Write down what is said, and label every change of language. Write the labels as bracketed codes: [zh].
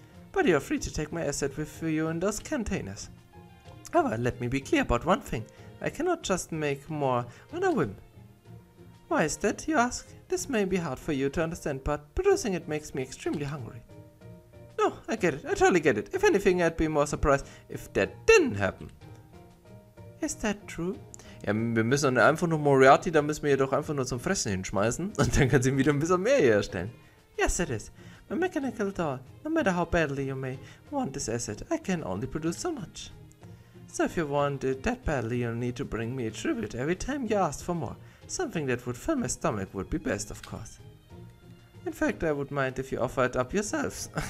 [en] But you're free to take my acid with you in those containers. However, let me be clear about one thing. I cannot just make more on a whim. Why is that, you ask? This may be hard for you to understand, but producing it makes me extremely hungry. No, I get it. I totally get it. If anything, I'd be more surprised if that didn't happen. Is that true? [de] Ja, wir müssen einfach nur Moriarty, da müssen wir ihr doch einfach nur zum Fressen hinschmeißen. Und dann kann sie wieder ein bisschen mehr herstellen. [en] Yes, it is. My mechanical doll, no matter how badly you may want this asset, I can only produce so much. So if you want it that badly, you'll need to bring me a tribute every time you ask for more. Something that would fill my stomach would be best, of course. In fact, I would mind if you offered up yourselves.